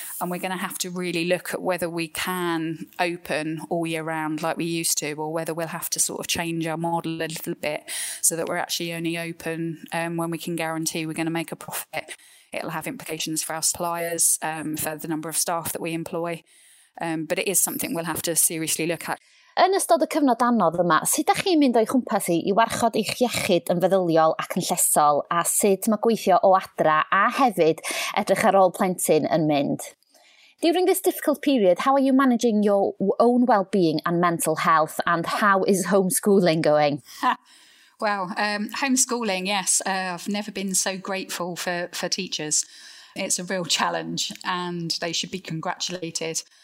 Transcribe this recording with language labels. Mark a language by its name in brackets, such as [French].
[English] And we're going to have to really look at whether we can open all year round like we used to, or whether we'll have to sort of change our model a little bit so that we're actually only open when we can guarantee we're going to make a profit. It'll have implications for our suppliers, for the number of staff that we employ. But it is something we'll have to seriously look at. [Welsh] Yn ystod y cyfnod anodd yma, sut ydych chi'n mynd o'i chwmpas i warchod eich iechyd yn feddyliol ac yn llesol, a sut mae gweithio o adra a hefyd edrych ar ôl plentyn yn mynd? [English] During this difficult period, how are you managing your own well-being and mental health, and how is homeschooling going? Well, homeschooling, yes. I've never been so grateful for teachers. It's a real challenge and they should be congratulated.